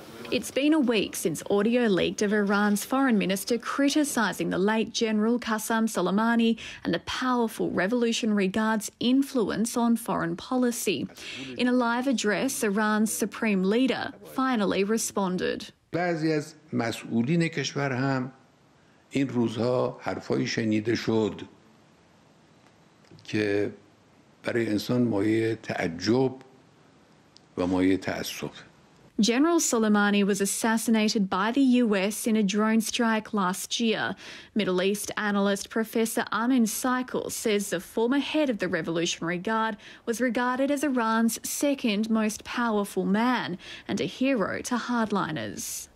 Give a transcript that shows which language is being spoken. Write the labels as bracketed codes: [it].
[en] It's been a week since audio leaked of Iran's foreign minister criticising the late General Qassem Soleimani and the powerful Revolutionary Guard's influence on foreign policy. In a live address, Iran's supreme leader finally responded. [fa] بعضی از مسئولین کشور هم این روزها حرفای شنیده شد که برای انسان مایه تعجب و مایه تأسف. [en] General Soleimani was assassinated by the US in a drone strike last year. Middle East analyst Professor Amin Saikal says the former head of the Revolutionary Guard was regarded as Iran's second most powerful man and a hero to hardliners.